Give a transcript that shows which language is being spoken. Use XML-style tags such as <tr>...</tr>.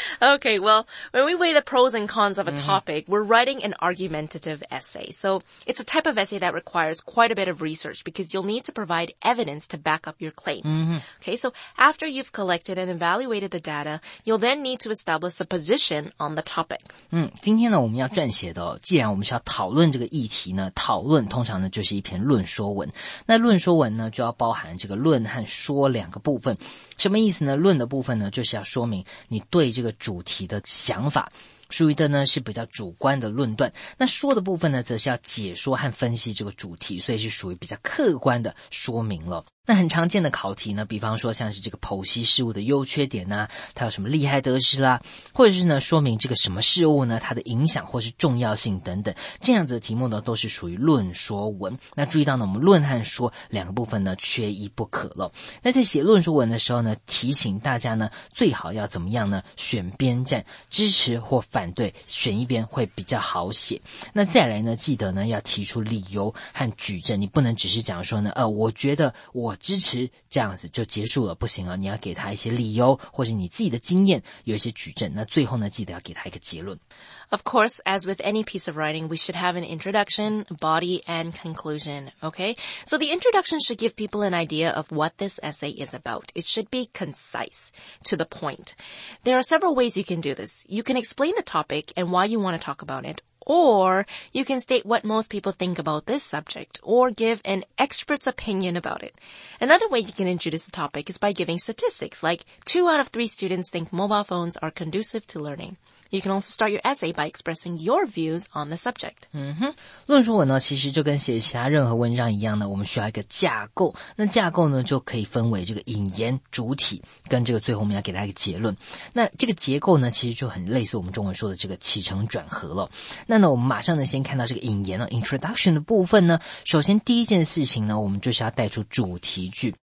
<en>Okay, well, when we weigh the pros and cons of a topic, we're writing an argumentative essay. So it's a type of essay that requires quite a bit of research because you'll need to provide evidence to back up your claims. Okay, so after you've collected and evaluated the data, you'll then need to establish a position on the topic.</en> <zh>今天呢，我们要撰写的，既然我们是要讨论这个议题呢，讨论通常呢就是一篇论说文。那论说文呢，就要包含这个论和说两个部分。什么意思呢？论的部分呢，就是要说明你对这个主题的想法，属于的呢是比较主观的论断。那说的部分呢，则是要解说和分析这个主题，所以是属于比较客观的说明了。那很常见的考题呢，比方说像是这个剖析事物的优缺点啊，它有什么利害得失啦，或者是呢说明这个什么事物呢它的影响或是重要性等等，这样子的题目呢都是属于论说文。那注意到呢，我们论和说两个部分呢缺一不可了。那在写论说文的时候呢，提醒大家呢最好要怎么样呢，选边站，支持或反对，选一边会比较好写。那再来呢，记得呢要提出理由和举证，你不能只是讲说呢我觉得我支持这样子就结束了，不行啊，你要给他一些理由或是你自己的经验，有一些举证，那最后呢记得要给他一个结论。</zh> <en>Of course, as with any piece of writing, we should have an introduction, body, and conclusion, okay? So the introduction should give people an idea of what this essay is about. It should be concise, to the point. There are several ways you can do this. You can explain the topic and why you want to talk about it,Or you can state what most people think about this subject or give an expert's opinion about it. Another way you can introduce a topic is by giving statistics like 2 out of 3 students think mobile phones are conducive to learning. You can also start your essay by expressing your views on the subject.</en> <zh>论说文呢，其实就跟写其他任何文章一样呢，我们需要一个架构。那架构呢，就可以分为这个引言、主体跟这个最后我们要给大家一个结论。那这个结构呢，其实就很类似我们中文说的这个起承转合了。那呢，我们马上呢，先看到这个引言呢 ，introduction 的部分呢，首先第一件事情呢，我们就是要带出主题句。</zh>